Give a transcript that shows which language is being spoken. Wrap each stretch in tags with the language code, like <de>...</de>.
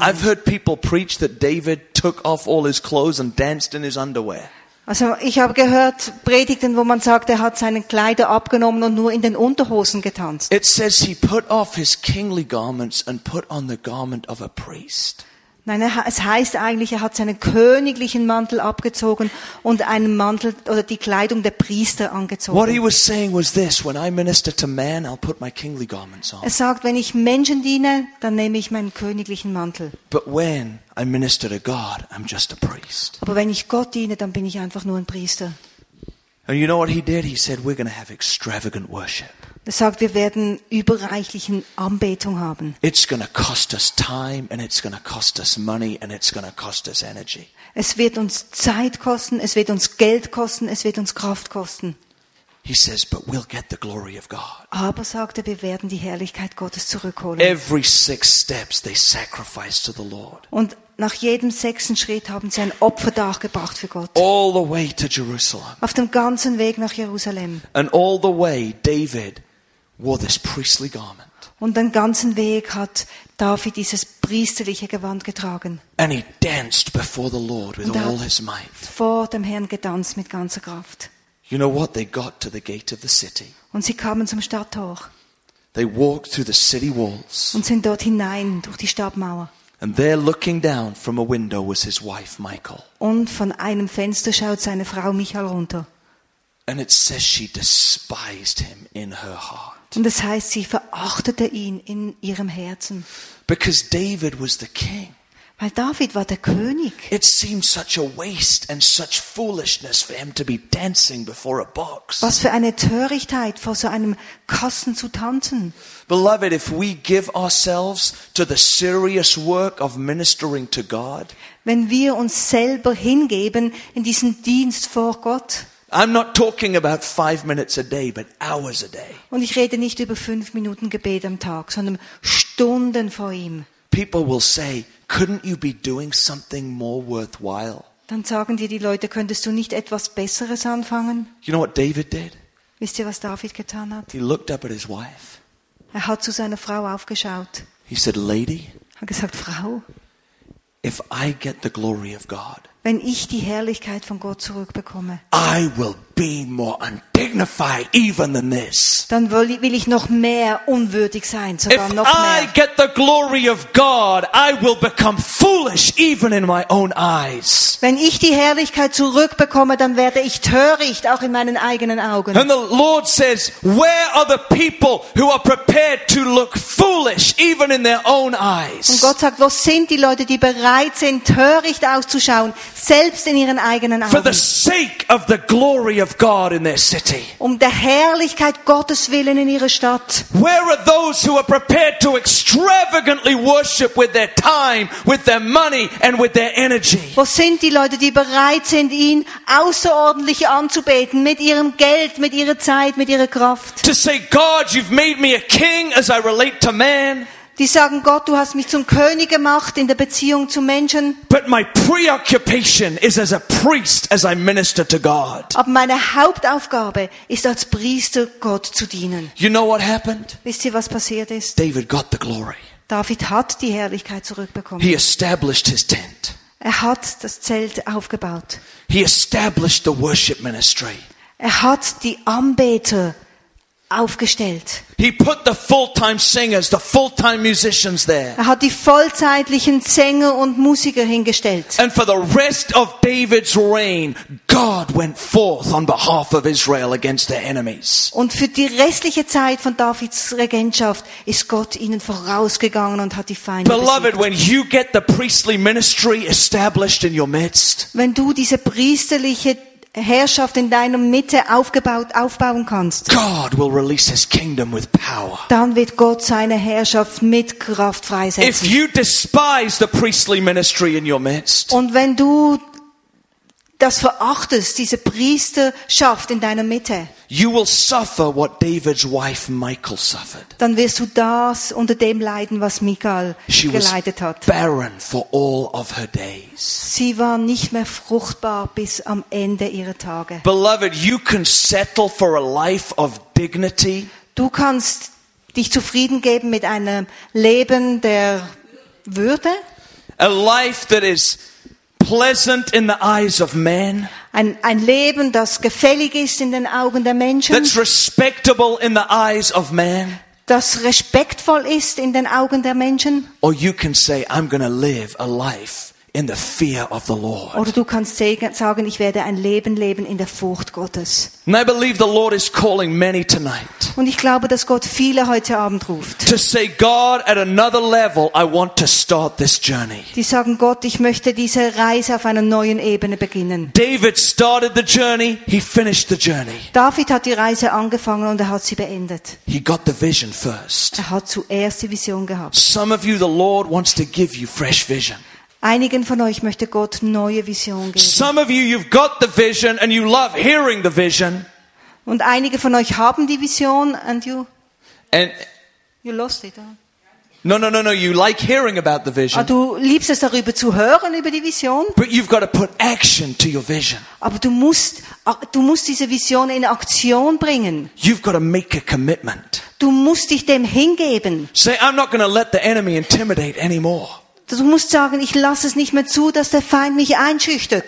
<en>I've heard people preach that David took off all his clothes and danced in his underwear.</en> <de>Also ich habe gehört Predigten, wo man sagt, er hat seine Kleider abgenommen und nur in den Unterhosen getanzt.</de> <en>It says he put off his kingly garments and put on the garment of a priest.</en> <de>Nein, es heißt eigentlich, er hat seinen königlichen Mantel abgezogen und einen Mantel oder die Kleidung der Priester angezogen.</de> <en>What he was saying was this: when I minister to man, I'll put my kingly garments on.</en> <de>Er sagt, wenn ich Menschen diene, dann nehme ich meinen königlichen Mantel.</de> <en>But when I minister to God, I'm just a priest.</en> <de>Aber wenn ich Gott diene, dann bin ich einfach nur ein Priester.</de> <en>And you know what he did? He said, we're going to have extravagant worship.</en> <de>Er sagt, wir werden überreichliche Anbetung haben.</de> <en>It's going to cost us time and it's going to cost us money and it's going to cost us energy.</en> <de>Es wird uns Zeit kosten, es wird uns Geld kosten, es wird uns Kraft kosten.</de> <en>He says, but we'll get the glory of God.</en> <de>Aber sagt er, wir werden die Herrlichkeit Gottes zurückholen.</de> <en>Every six steps they sacrifice to the Lord.</en> <de>Und nach jedem sechsten Schritt haben sie ein Opfer dargebracht für Gott.</de> <en>All the way to Jerusalem.</en> <de>Auf dem ganzen Weg nach Jerusalem.</de> <en>And all the way David wore this priestly garment.</en> <de>Und den ganzen Weg hat David dieses priesterliche Gewand getragen.</de> <en>And he danced before the Lord with all his might.</en> <de>Vor dem Herrn getanzt mit ganzer Kraft.</de> <en>You know what? They got to the gate of the city.</en> <de>Und sie kamen zum Stadttor.</de> <en>They walked through the city walls.</en> <de>Und sind dort hinein durch die Stadtmauer.</de> <en>And there looking down from a window was his wife Michal.</en> <de>Und von einem Fenster schaut seine Frau Michal runter.</de> <en>And it says she despised him in her heart.</en> <de>Und das heißt, sie verachtete ihn in ihrem Herzen.</de> <en>Because David was the king.</en> <de>Weil David war der König.</de> <en>It seemed such a waste and such foolishness for him to be dancing before a box.</en> <de>Was für eine Törichtheit, vor so einem Kasten zu tanzen.</de> <en>Beloved, if we give ourselves to the serious work of ministering to God,</en> <de>wenn wir uns selber hingeben in diesen Dienst vor Gott,</de> <en>I'm not talking about 5 minutes a day, but hours a day.</en> <de>Und ich rede nicht über 5 Minuten Gebet am Tag, sondern Stunden vor ihm.</de> <en>People will say, couldn't you be doing something more worthwhile?</en> <de>Dann sagen dir die Leute, könntest du nicht etwas Besseres anfangen?</de> <en>You know what David did?</en> <de>Wisst ihr, was David getan hat?</de> <en>He looked up at his wife.</en> <de>Er hat zu seiner Frau aufgeschaut.</de> <en>He said, lady.</en> <de>Hat gesagt, Frau.</de> <en>If I get the glory of God,</en> <de>wenn ich die Herrlichkeit von Gott zurückbekomme,</de> <en>I will be more undignified even than this.</en> <de>Dann will ich noch mehr unwürdig sein, sogar</de> <en>if</en> <de>noch mehr.</de> <en>If I get the glory of God, I will become foolish even in my own eyes.</en> <de>Wenn ich die Herrlichkeit zurückbekomme, dann werde ich töricht auch in meinen eigenen Augen.</de> <en>And the Lord says, where are the people who are prepared to look foolish even in their own eyes?</en> <de>Und Gott sagt, wo sind die Leute, die bereit sind, töricht auszuschauen, selbst in ihren eigenen Augen.</de> <en>For the sake of the glory of God in their city.</en> <de>Um der Herrlichkeit Gottes willen in ihrer Stadt.</de> <en>Where are those who are prepared to extravagantly worship with their time, with their money and with their energy?</en> <de>Wo sind die Leute, die bereit sind, ihn außerordentlich anzubeten, mit ihrem Geld, mit ihrer Zeit, mit ihrer Kraft?</de> <en>To say, God, you've made me a king as I relate to man.</en> <de>Die sagen, Gott, du hast mich zum König gemacht in der Beziehung zu Menschen.</de> <en>But my preoccupation is as a priest as I minister to God.</en> <de>Aber meine Hauptaufgabe ist, als Priester Gott zu dienen.</de> <en>You know what happened?</en> <de>Wisst ihr, was passiert ist?</de> <en>David got the glory.</en> <de>David hat die Herrlichkeit zurückbekommen.</de> <en>He established his tent.</en> <de>Er hat das Zelt aufgebaut.</de> <en>He established the worship ministry.</en> <de>Er hat die Anbeter aufgestellt.</de> <en>He put the full-time singers, the full-time musicians there.</en> <de>Er hat die vollzeitlichen Sänger und Musiker hingestellt.</de> <en>And for the rest of David's reign, God went forth on behalf of Israel against their enemies.</en> <de>Und für die restliche Zeit von Davids Regentschaft ist Gott ihnen vorausgegangen und hat die Feinde besiegt.</de> <en>Beloved, when you get the priestly ministry established in your midst,</en> <de>wenn du diese priesterliche Herrschaft in deiner Mitte aufbauen kannst.</de> <en>God will release his kingdom with power.</en> <de>Dann wird Gott seine Herrschaft mit Kraft freisetzen.</de> <en>If you despise the priestly ministry in your midst.</en> <de>Und wenn du das verachtest, diese Priesterschaft in deiner Mitte.</de> <en>You will suffer what David's wife Michal suffered.</en> <de>Dann wirst du das unter dem leiden, was Michal</de> <en>she</en> <de>geleidet hat.</de> <en>Was barren for all of her days.</en> <de>Sie war nicht mehr fruchtbar bis am Ende ihrer Tage.</de> <en>Beloved, you can settle for a life of dignity.</en> <de>Du kannst dich zufrieden geben mit einem Leben der Würde.</de> <en>A life that is pleasant in the eyes of men.</en> <de>Ein Leben, das gefällig ist in den Augen der Menschen.</de> <en>That's respectable in the eyes of man.</en> <de>Das respektvoll ist in den Augen der Menschen.</de> <en>Or you can say, I'm going to live a life in the fear of the Lord.</en> <de>Oder du kannst sagen, ich werde ein Leben leben in der Furcht Gottes.</de> <en>And I believe the Lord is calling many tonight.</en> <de>Und ich glaube, dass Gott viele heute Abend ruft.</de> <en>To say, God, at another level, I want to start this journey.</en> <de>Die sagen, Gott, ich möchte diese Reise auf einer neuen Ebene beginnen.</de> <en>David started the journey, he finished the journey.</en> <de>David hat die Reise angefangen und er hat sie beendet.</de> <en>He got the vision first.</en> <de>Er hat zuerst die Vision gehabt.</de> <en>Some of you, the Lord wants to give you fresh vision.</en> <de>Einigen von euch möchte Gott neue Vision geben.</de> <en>Some of you, you've got the vision and you love hearing the vision.</en> <de>Und einige von euch haben die Vision</de> <en>and you. And you lost it. Huh? No. You like hearing about the vision.</en> <de>Aber du liebst es darüber zu hören über die Vision.</de> <en>But you've got to put action to your vision.</en> <de>Aber du musst diese Vision in Aktion bringen.</de> <en>You've got to make a commitment.</en> <de>Du musst dich dem hingeben.</de> <en>Say, I'm not going to let the enemy intimidate anymore.</en> <de>Du musst sagen, ich lasse es nicht mehr zu, dass der Feind mich einschüchtert.</de>